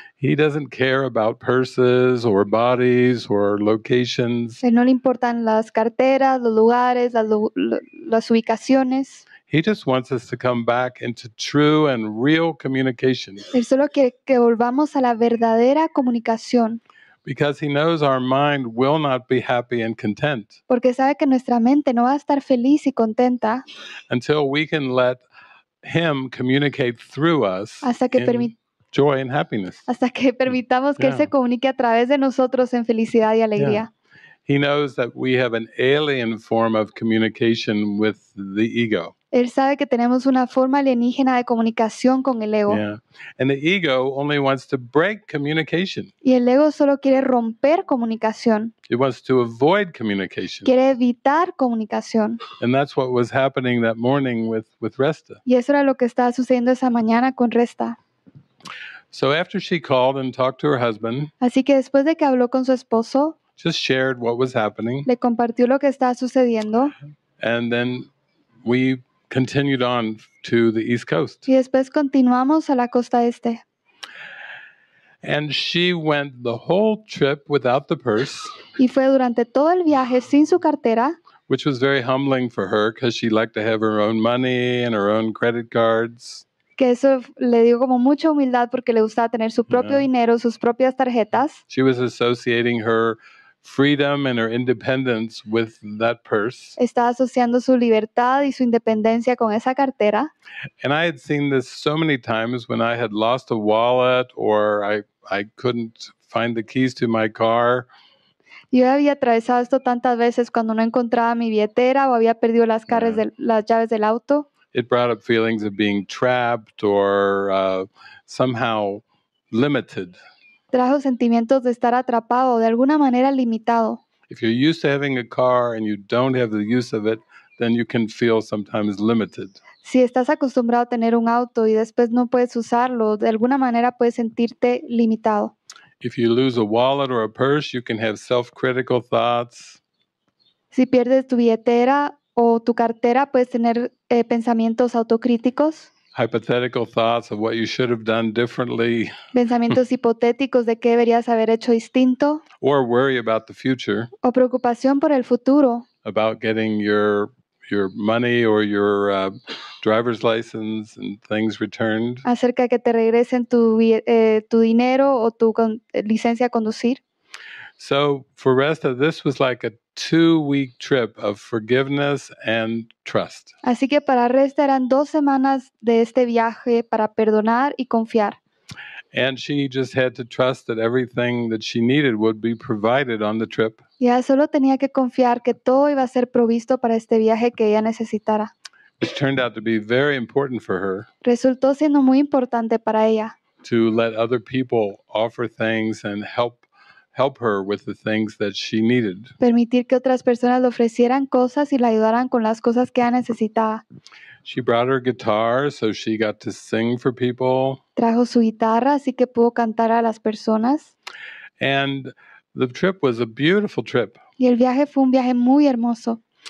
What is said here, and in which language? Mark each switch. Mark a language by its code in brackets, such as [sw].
[en] He doesn't care about purses or bodies or locations. [es] No le importan las carteras, los lugares, las ubicaciones. [en] He just wants us to come back into true and real communication. [es] Él solo quiere que volvamos a la verdadera comunicación. [en] Because he knows our mind will not be happy and content. [es] Porque sabe que nuestra mente no va a estar feliz y contenta. [en] Until we can let him communicate through us. [es] Hasta que [en] joy and happiness. [es] Hasta que permitamos que él se comunique a través de nosotros en felicidad y alegría. [en] Yeah. He knows that we have an alien form of communication with the ego. [es] Él sabe que tenemos una forma alienígena de comunicación con el ego. [en] Yeah. And the ego only wants to break communication. [es] Y el ego solo quiere romper comunicación. [en] It wants to avoid communication. [es] Quiere evitar comunicación. [en] And that's what was happening that morning with Resta. [es] Y eso era lo que estaba sucediendo esa mañana con Resta. [en] So after she called and talked to her husband, [es] así que después de que habló con su esposo, [en] just shared what was happening, [es] le compartió lo que estaba sucediendo, [en] and then we continued on to the East Coast. [es] Y después continuamos a la costa este. [en] And she went the whole trip without the purse. [es] Y fue durante todo el viaje sin su cartera. [en] Which was very humbling for her because she liked to have her own money and her own credit cards. [es] Que eso le dio como mucha humildad porque le gustaba tener su propio dinero, sus propias tarjetas. [en] She was associating her freedom and her independence with that purse. [es] Estaba asociando su libertad y su independencia con esa cartera. [en] And I had seen this so many times when I had lost a wallet or I couldn't find the keys to my car. [es] Yo había atravesado esto tantas veces cuando no encontraba mi billetera o había perdido las llaves del auto. [en] It brought up feelings of being trapped or somehow limited. [es] Trajo sentimientos de estar atrapado o de alguna manera limitado. [en] If you're used to having a car and you don't have the use of it, then you can feel sometimes limited. [es] Si estás acostumbrado a tener un auto y después no puedes usarlo, de alguna manera puedes sentirte limitado. [en] If you lose a wallet or a purse, you can have self-critical thoughts. [es] Si pierdes tu billetera o tu cartera, puedes tener pensamientos autocríticos. [en] Hypothetical thoughts of what you should have done differently. [es] Pensamientos hipotéticos de qué deberías haber hecho distinto. [en] Or worry about the future. [es] O preocupación por el futuro. [en] About getting your money or your driver's license and things returned. [es] Acerca de que te regresen tu dinero o tu licencia a conducir. [en] So for Resta, this was like a 2-week trip of forgiveness and trust. [es] Así que para Resta eran 2 semanas de este viaje para perdonar y confiar. [en] And she just had to trust that everything that she needed would be provided on the trip. [es] Ya solo tenía que confiar que todo iba a ser provisto para este viaje que ella necesitara. [en] Which turned out to be very important for her. [es] Resultó siendo muy importante para ella. [en] To let other people offer things and help her with the things that she needed. [es] Permitir que otras personas le ofrecieran cosas y la ayudaran con las cosas que ella necesitaba. [en] She brought her guitar so she got to sing for people. [es] Trajo su guitarra así que pudo cantar a las personas. [en] And the trip was a beautiful trip. [es] Y el viaje fue un viaje muy hermoso.